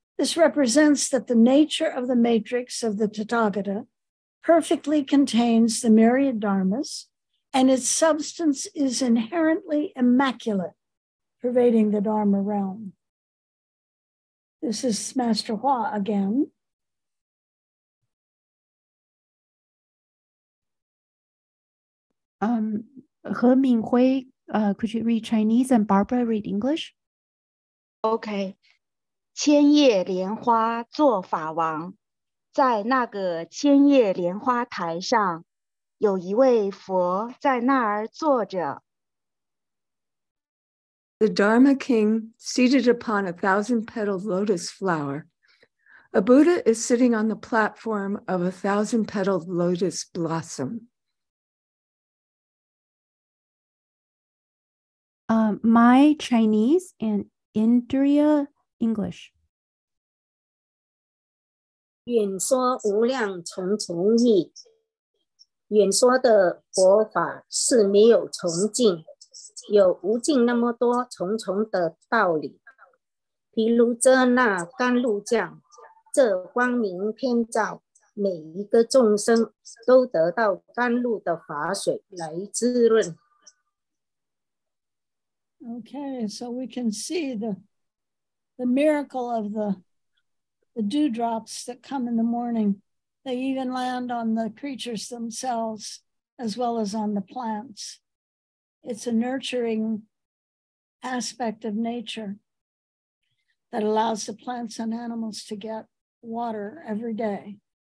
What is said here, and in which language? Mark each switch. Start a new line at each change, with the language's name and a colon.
English: This represents that the nature of the matrix of the Tathagata perfectly contains the myriad dharmas, and its substance is inherently immaculate, pervading the dharma realm. This is Master Hua again. He Minghui, could you read Chinese and Barbara read English?
Chinese: OK, 千叶莲花做法王，在那个千叶莲花台上，有一位佛在那儿坐着。
English: The Dharma King seated upon a 1,000-petaled lotus flower. A Buddha is sitting on the platform of a 1,000-petaled lotus blossom. My Chinese and Indria English.
Chinese: 演说无量重重义，演说的佛法是没有穷尽，有无尽那么多重重的道理。譬如这那甘露酱，这光明偏照，每一个众生都得到甘露的法水来滋润。
English: Okay, so we can see the miracle of the dewdrops that come in the morning. They even land on the creatures themselves, as well as on the plants. It's a nurturing aspect of nature that allows the plants and animals to get water every day.